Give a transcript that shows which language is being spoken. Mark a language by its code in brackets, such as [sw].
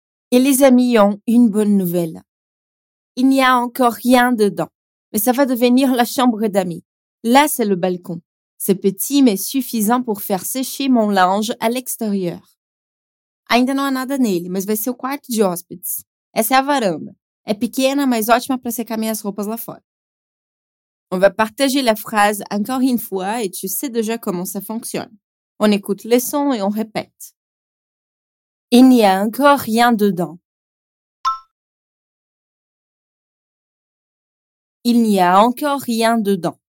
[fr] Et les amis ont une bonne nouvelle. Il n'y a encore rien dedans, mais ça va devenir la chambre d'amis. Là, c'est le balcon. C'est petit, mais suffisant pour faire sécher mon linge à l'extérieur. [pt] Ainda não há nada nele, mas vai ser o quarto de hóspedes. Essa é a varanda. É pequena, mas ótima para secar minhas roupas lá fora. [fr] On va partager la phrase encore une fois et tu sais déjà comment ça fonctionne. On écoute les sons et on répète. Il n'y a encore rien dedans. Il n'y a encore rien dedans.